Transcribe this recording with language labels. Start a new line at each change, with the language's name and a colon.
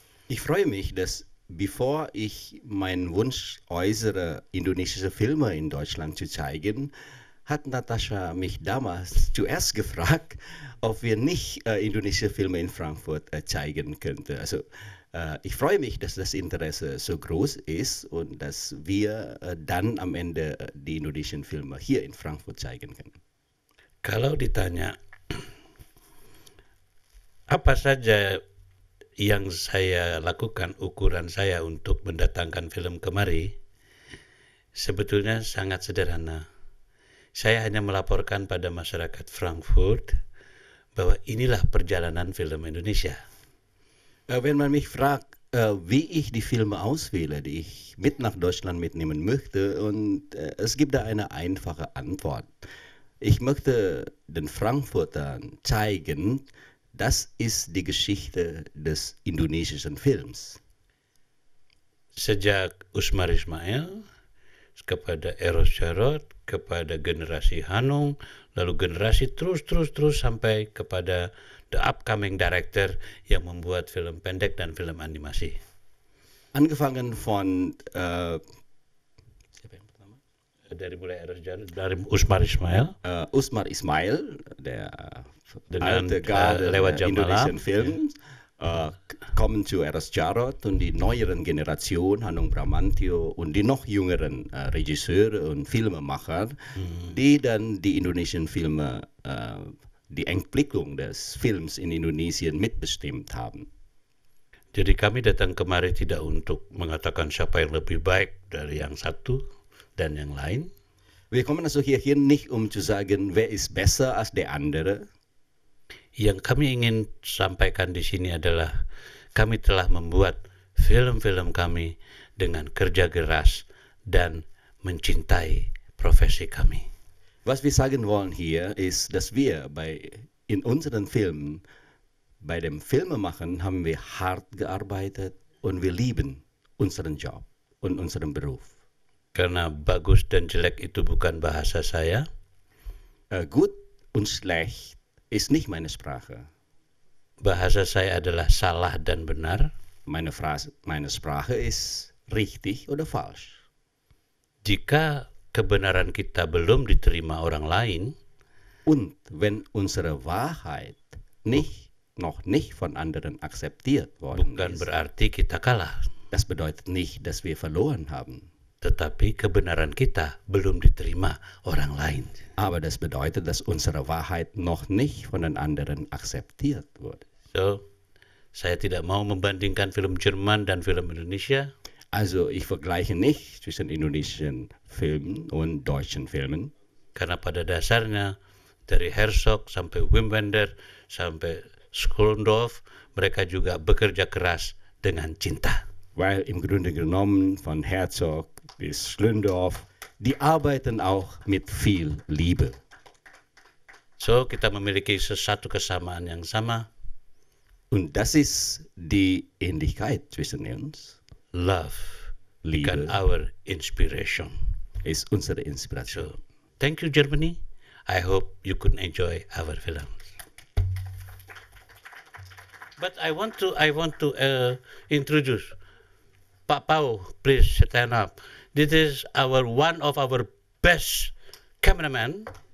German: Ich freue mich, dass bevor ich meinen Wunsch äußere, indonesische Filme in Deutschland zu zeigen, hat Natasha mich damals zuerst gefragt, ob wir nicht indonesische Filme in Frankfurt zeigen könnten. Also ich freue mich, dass das Interesse so groß ist und dass wir dann am Ende die indonesischen Filme hier in Frankfurt zeigen können.
Indonesian: Kalau ditanya, apa saja yang saya lakukan, ukuran saya untuk mendatangkan film kemari, sebetulnya sangat sederhana. Saya hanya melaporkan pada masyarakat Frankfurt bahwa inilah perjalanan film Indonesia.
German: Wenn man mich fragt, wie ich die Filme auswähle, die ich mit nach Deutschland mitnehmen möchte, und es gibt da eine einfache Antwort. Ich möchte den Frankfurtern zeigen, das ist die Geschichte des indonesischen Films.
Indonesian: Sejak Usmar Ismail kepada Eros Jarot, kepada generasi Hanung, lalu generasi terus-terus-terus sampai kepada
English: the upcoming director
Indonesian: yang membuat film pendek dan film animasi.
German: Angefangen von
Indonesian: dari mulai Eros Jarot, dari Usmar Ismail. Usmar Ismail,
German: der alte Garde Indonesian Malam. Film, kommen zu Eros Jarot und die neueren Generation, Hanung Bramantio und die noch jüngeren Regisseure und Filmemacher, die dann die indonesischen Filme, die Entwicklung des Films in Indonesien mitbestimmt haben.
Indonesian: Jadi kami datang kemari tidak untuk mengatakan siapa yang lebih baik dari yang satu dan yang lain.
German: Wir kommen also hierhin nicht, um zu sagen, wer ist besser als der andere.
Indonesian: Yang kami ingin sampaikan di sini adalah kami telah membuat film-film kami dengan kerja keras dan mencintai profesi kami.
German: Was wir sagen wollen hier ist, dass wir bei in unseren Filmen bei dem Filmemachen haben wir hart gearbeitet und wir lieben unseren Job und unseren Beruf.
Indonesian: Karena bagus dan jelek itu bukan bahasa saya.
German: Gut und schlecht ist nicht meine Sprache.
Indonesian: Bahasa saya adalah salah dan benar.
German: Meine Sprache ist richtig oder falsch.
Indonesian: Jika kebenaran kita belum diterima orang lain,
German: und wenn unsere Wahrheit noch nicht von anderen akzeptiert worden
Indonesian: bukan
German: ist,
Indonesian: bukan berarti kita kalah.
German: Das bedeutet nicht, dass wir verloren haben.
Indonesian: Tetapi kebenaran kita belum diterima orang lain.
German: Aber das bedeutet, dass unsere Wahrheit noch nicht von den anderen akzeptiert wurde.
Indonesian: So, saya tidak mau membandingkan film Jerman dan film Indonesia.
German: Also, ich vergleiche nicht zwischen indonesischen Filmen und deutschen Filmen.
Indonesian: Karena pada dasarnya, dari Herzog sampai Wim Wenders sampai Schulendorf, mereka juga bekerja keras dengan cinta.
German: Weil im Grunde genommen von Herzog bis Schlöndorff, die arbeiten auch mit viel Liebe.
Indonesian: So, kita memiliki sesuatu kesamaan yang sama.
German: Und das ist die Ähnlichkeit zwischen uns.
English: Love,
German: Liebe,
English: our inspiration.
German: Ist unsere Inspiration.
English: So, thank you, Germany. I hope you could enjoy our film. But I want to introduce Pak Pau, please stand up. This is one of our best cameramen.